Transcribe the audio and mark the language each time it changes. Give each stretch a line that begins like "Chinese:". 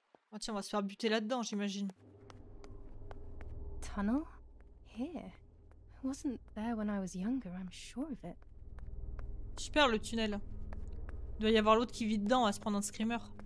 French: Oh tiens, on va se faire buter là-dedans, j'imagine.
English: Tunnel? Here. Wasn't there when I was younger, I'm sure of it.
French: Super le tunnel. Il doit y avoir l'autre qui vit dedans à se prendre un screamer.